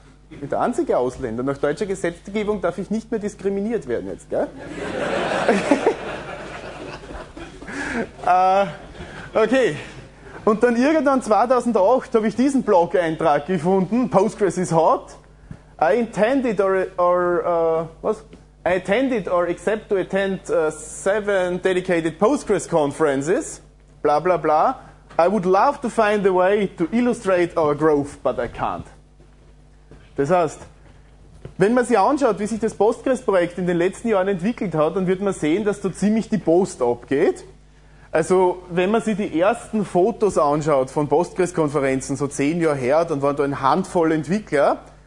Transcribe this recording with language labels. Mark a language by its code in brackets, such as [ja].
[de] Ich bin der einzige Ausländer. Nach deutscher Gesetzgebung darf ich nicht mehr diskriminiert werden jetzt, gell? Okay. Und dann irgendwann 2008 habe ich diesen Blog-Eintrag gefunden, [en] Postgres is hot. I attended or accept to attend seven dedicated Postgres conferences, bla bla bla. I would love to find a way to illustrate our growth, but I can't. [de] Das heißt, wenn man sich anschaut, wie sich das Postgres-Projekt in den letzten Jahren entwickelt hat, dann wird man sehen, dass da ziemlich die Post abgeht. Also, wenn man sich die ersten Fotos anschaut von Postgres-Konferenzen, so 10 Jahre her, dann waren da eine Handvoll Entwickler.